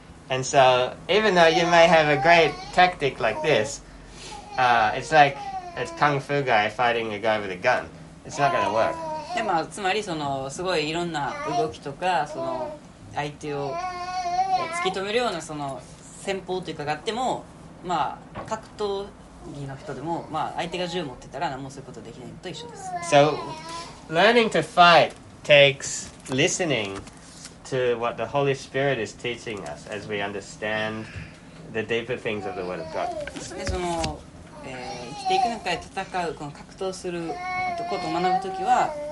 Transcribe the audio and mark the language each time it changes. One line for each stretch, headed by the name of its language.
English: And so, even though you may have a great tactic like this, it's like a kung fu guy fighting a guy with a gun. It's not going to work.
Japanese: でまあつまりそのすごいいろんな動きとかその相手を突き止めるようなその戦法というかがあっても、まあ格闘技の人でもまあ相手が銃持ってたら何もそういうことできないのと一緒です。
English: So, learning to fight takes listening. To what the Holy Spirit is teaching us as we understand the deeper things of the Word of God.
Japanese: で、その、生きていく中で戦う、この格闘することを学ぶときは、